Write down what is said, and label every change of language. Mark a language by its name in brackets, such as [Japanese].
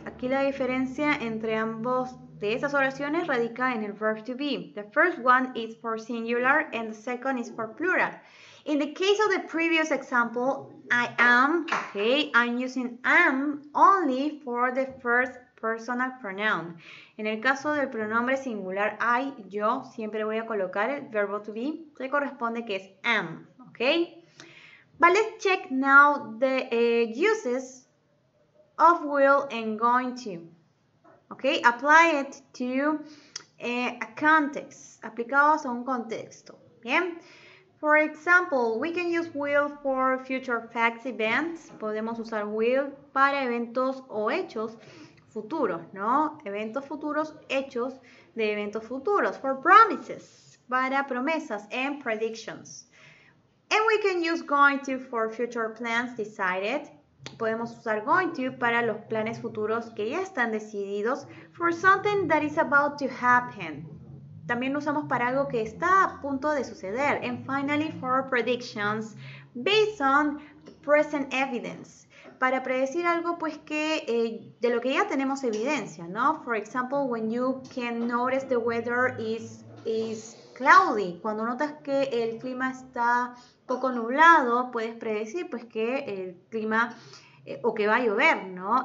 [Spanish] Aquí la diferencia entre ambos de esas oraciones radica en el verb to be. [English] The first one is for singular and the second is for plural. In the case of the previous example, I am, okay, I'm using am only for the first personal pronoun. [Spanish] En el caso del pronombre singular I, yo siempre voy a colocar el verbo to be que corresponde, que es am, ¿ok? [English] But let's check now the uses of will and going to, ¿ok? Apply it to a context, [Spanish] aplicados a un contexto, [English] ¿bien? For example, we can use will for future facts events. [Spanish] Podemos usar will para eventos o hechos futuros, ¿no? Eventos futuros, hechos de eventos futuros. [English] For promises, [Spanish] para promesas, [English] and predictions. And we can use going to for future plans decided. [Spanish] Podemos usar going to para los planes futuros que ya están decididos. [English] For something that is about to happen. [Spanish] También lo usamos para algo que está a punto de suceder. [English] And finally, for predictions, based on present evidence. [Spanish] Para predecir algo, pues, que de lo que ya tenemos evidencia, ¿no? [English] For example, when you can notice the weather is cloudy. [Spanish] Cuando notas que el clima está poco nublado, puedes predecir, pues, que el clima, o que va a llover, ¿no?